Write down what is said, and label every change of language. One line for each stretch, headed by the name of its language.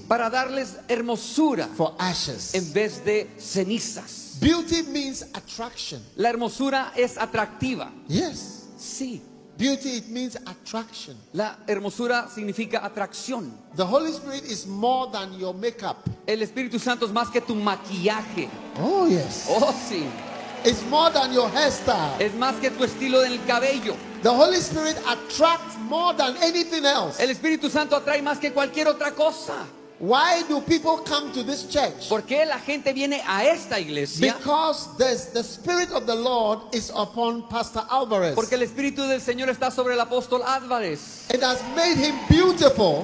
Spanish: para darles hermosura,
English: for ashes,
Spanish: en vez de cenizas.
English: Beauty means attraction.
Spanish: La hermosura es atractiva.
English: Yes.
Spanish: Sí.
English: Beauty it means attraction.
Spanish: La hermosura significa atracción.
English: The Holy Spirit is more than your makeup.
Spanish: El Espíritu Santo es más que tu maquillaje.
English: Oh yes.
Spanish: Oh sí.
English: It's more than your hairstyle.
Spanish: Es más que tu estilo del cabello.
English: The Holy Spirit attracts more than anything else.
Spanish: El Espíritu Santo atrae más que cualquier otra cosa.
English: Why do people come to this church?
Spanish: ¿Por qué la gente viene a esta iglesia?
English: Because the Spirit of the Lord is upon Pastor Alvarez.
Spanish: Porque el Espíritu del Señor está sobre el apóstol Álvarez.
English: It has made him beautiful.